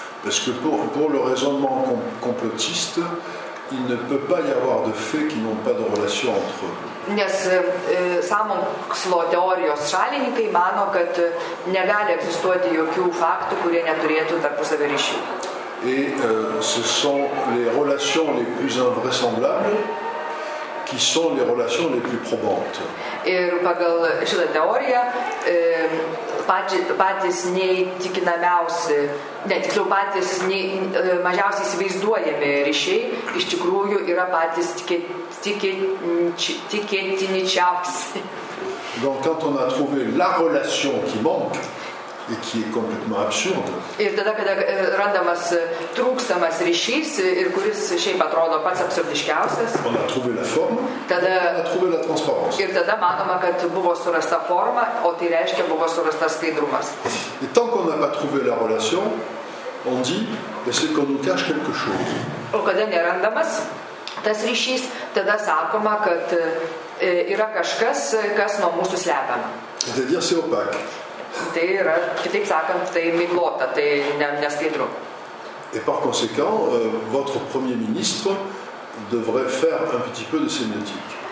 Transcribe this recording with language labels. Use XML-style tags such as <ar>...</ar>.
<fr>Parce que pour le raisonnement complotiste, il ne peut pas y avoir de faits qui n'ont pas de relation entre eux.</fr> <lt>Nes sąmokslo teorijos šalininkai mano, kad negali egzistuoti jokių faktų, kurie neturėtų tarpusavio ryšių.</lt> <fr>Et ce sont les relations les plus invraisemblables qui sont les relations les plus probantes.</fr> <lt>Ir pagal šitą teoriją, patys neįtikinamiausi, netikliau patys mažiausiai įsivaizduojami ryšiai, iš tikrųjų yra patys tikėtiniausi.</lt> <fr>Donc quand on a trouvé la relation qui manque, et qui est complètement absurde.</fr> <lt>Ir tada, kada randamas trūkstamas ryšys, ir kuris šiaip atrodo pats absurdiškiausias.</lt> <fr>On a trouvé la forme,</fr> <lt>tada,</lt> <fr>on a trouvé la transparence.</fr> <lt>Ir tada manoma, kad buvo surasta forma, o tai reiškia, buvo surastas skaidrumas.</lt> <fr>Et tant qu'on n'a pas trouvé la relation, on dit, c'est qu'on nous cache quelque chose.</fr> <lt>O kada nerandamas tas ryšys, tada sakoma, kad yra kažkas, kas nuo mūsų slepiama.</lt> <fr>C'est-à-dire, c'est opaque.</fr> <lt>Tai yra, kitaip sakant, tai miglota, tai neskaidru.</lt> <fr>Et par conséquent, votre premier ministre devrait faire un petit peu de sémiotique.</fr>